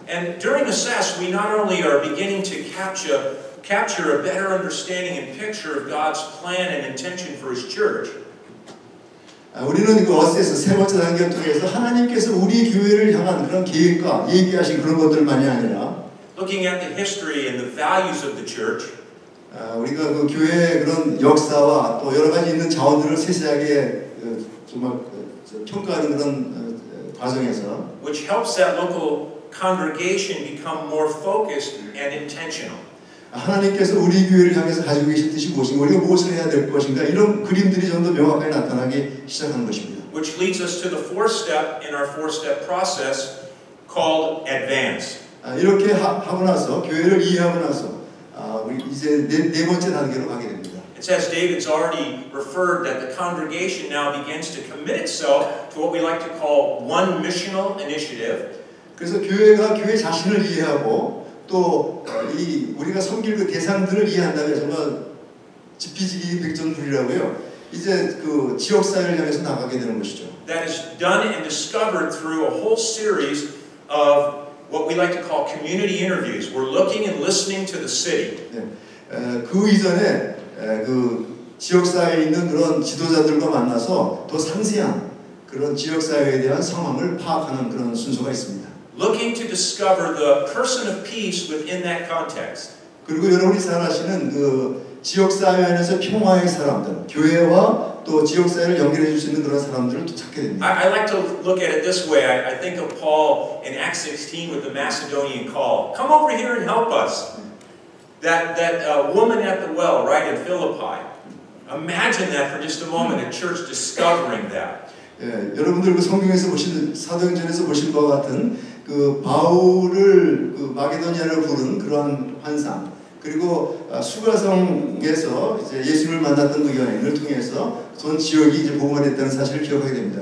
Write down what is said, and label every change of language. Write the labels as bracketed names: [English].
[English] And during assess, we not only are beginning to capture a better understanding and picture of God's plan and intention for His church. [Korean] 우리는 그 어세서 세 번째 단계를 통해서 하나님께서 우리 교회를 향한 그런 계획과 얘기하신 그런 것들만이 아니라 [English] looking at the history and the values of the church. [Korean] 우리가 그 교회의 그런 역사와 또 여러 가지 있는 자원들을 세세하게 정말 평가하는 그런 과정에서 [English] which helps that local congregation become more focused and intentional. [Korean] 하나님께서 우리 교회를 향해서 가지고 계신 뜻이 무엇인가, 우리가 무엇을 해야 될 것인가 이런 그림들이 좀 더 명확하게 나타나기 시작하는 것입니다. [English] Which leads us to the fourth step in our four-step process called advance. [Korean] 이렇게 하고 나서 교회를 이해하고 나서 이제 네 번째 단계로 가게 됩니다. [English] It says David's already referred that the congregation now begins to commit itself to what we like to call one missional initiative. [Korean] 그래서 교회가 교회 자신을 이해하고 또 이 우리가 섬길 그 대상들을 이해한다면 정말 지피지기 백전불이라고요. 이제 그 지역 사회를 향해서 나가게 되는 것이죠. [English] That is done and discovered through a whole series of what we like to call community interviews. We're looking and listening to the city. [Korean] 그 이전에 그 지역사회에 있는 그런 지도자들과 만나서 더 상세한 그런 지역사회에 대한 상황을 파악하는 그런 순서가 있습니다. [English] Looking to discover the person of peace within that context. [Korean] 그리고 여러분이 잘 아시는 그 지역사회 안에서 평화의 사람들, 교회와 또 지역사회를 연결해 줄 수 있는 그런 사람들을 또 찾게 됩니다. [English] I like to look at it this way. I think of Paul in Acts 16 with the Macedonian call. Come over here and help us. That woman at the well, right, in Philippi. Imagine that for just a moment, a church discovering that. [Korean] 예, 여러분들 그 성경에서 보신, 사도행전에서 보신 것 같은 그 바울을 그 마게도니아를 부른 그러한 환상. 그리고 수가성에서 이제 예수님을 만났던 그 여인을 통해서 전 지역이 이제 복음화됐다는 사실을 기억하게 됩니다.